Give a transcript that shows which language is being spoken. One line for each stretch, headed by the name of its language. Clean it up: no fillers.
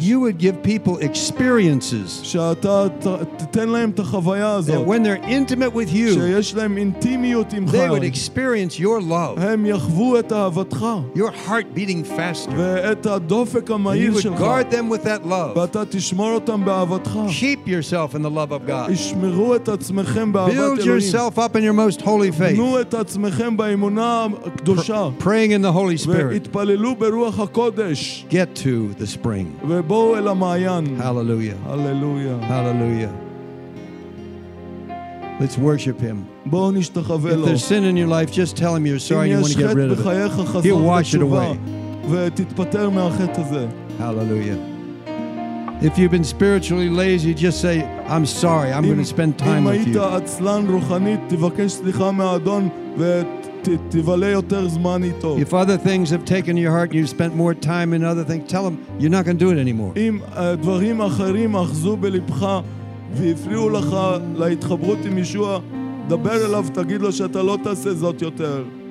English: that you would give people experiences
Hebrew: שאתה, תתן להם את החוויה הזאת,
English: that when they're intimate with you
Hebrew: שיש להם אינטימיות עםך,
English: they would experience your love
Hebrew: הם יחוו את אהבתך,
English: your heart beating faster
Hebrew: ואת הדופק המהיר
English: and you would
Hebrew: שלך,
English: guard them with that love
Hebrew: ואתה תשמור אותם באהבתך,
English: keep yourself in the love of God
Hebrew: ישמרו את עצמכם באהבת
English: build
Hebrew: אלוהים.
English: Yourself up in your most holy faith
Hebrew: בנו את עצמכם באמונה הקדושה,
English: praying in the Holy Spirit
Hebrew: והתפללו ב
English: Get to the spring. Hallelujah. Hallelujah. Hallelujah. Let's worship him.
Hebrew: בואו נשתחווה לו.
English: If there's sin in your life, just tell him you're sorry and you want to get rid of it. He'll wash it away.
Hebrew: ותתפטר מהחטא הזה.
English: Hallelujah. If you've been spiritually lazy, just say, I'm sorry, I'm going to spend time with you.
Hebrew: אם היית עצלן רוחנית, תבקש סליחה מהאדון תבלה יותר זמן איתו.
English: If other things have taken your heart and you've spent more time in other things, tell him you're not going to do it anymore.
Hebrew: אם דברים אחרים אחזו בלבך והפריעו לך להתחברות עם ישוע, דבר אליו, תגיד לו שאתה לא תעשה זאת יותר.